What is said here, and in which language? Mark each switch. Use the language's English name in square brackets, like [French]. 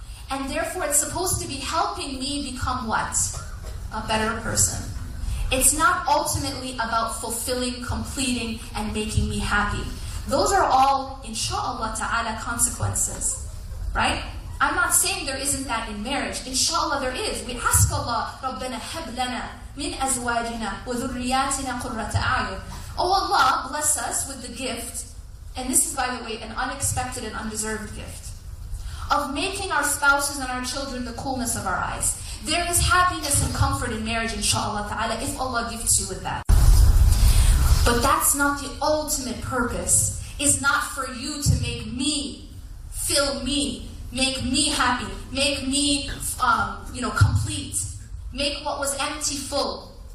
[English] And therefore it's supposed to be helping me become what? A better person. It's not ultimately about fulfilling, completing, and making me happy. Those are all, inshallah ta'ala, consequences. Right? I'm not saying there isn't that in marriage. Inshallah there is. [Arabic] We ask Allah, رَبَّنَا هَبْ لَنَا مِنْ أَزْوَاجِنَا وَذُرِّيَاتِنَا قُرَّةَ أَعْيُنٍ. [English] Oh Allah, bless us with the gift. And this is, by the way, an unexpected and undeserved gift. Of making our spouses and our children the coolness of our eyes. There is happiness and comfort in marriage, inshallah ta'ala, if Allah gifts you with that. But that's not the ultimate purpose. It's not for you to make me, fill me, make me happy, make me, complete, make what was empty full.